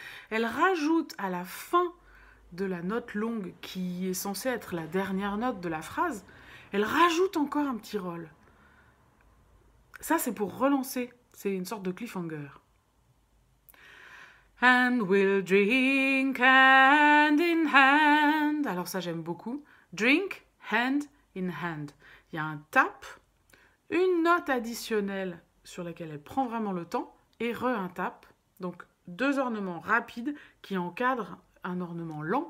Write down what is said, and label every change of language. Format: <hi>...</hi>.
<fr>Elle rajoute à la fin de la note longue qui est censée être la dernière note de la phrase, elle rajoute encore un petit roll. Ça, c'est pour relancer. C'est une sorte de cliffhanger.</fr> <en>And we'll drink hand in hand.</en> <fr>Alors ça, j'aime beaucoup.</fr> <en>Drink hand in hand.</en> <fr>Il y a un tap, une note additionnelle sur laquelle elle prend vraiment le temps, et re-un tap. Donc, deux ornements rapides qui encadrent un ornement lent.</fr>